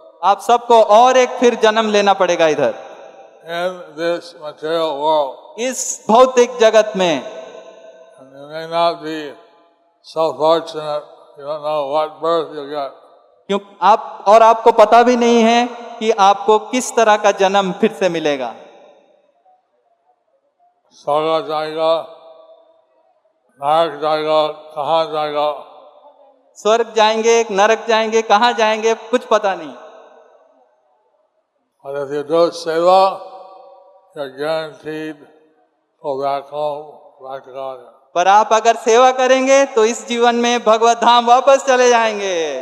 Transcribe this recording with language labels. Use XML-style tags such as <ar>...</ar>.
<hi>आप सबको और एक फिर जन्म लेना पड़ेगा इधर.</hi> <en>In this material world,</en> <hi>इस भौतिक जगत में.</hi> <en>And you may not be so fortunate, you don't know what birth you got.</en> <hi>क्यों आप और आपको पता भी नहीं है कि आपको किस तरह का जन्म फिर से मिलेगा. स्वर्ग जाएगा, नरक जाएगा, कहां जाएगा. स्वर्ग जाएंगे, नरक जाएंगे, कहां जाएंगे कुछ पता नहीं.</hi> <en>But if you do seva, you're guaranteed to go back home, back to God.</en> <hi>पर आप अगर सेवा करेंगे तो इस जीवन में भगवत धाम वापस चले जाएंगे.</hi>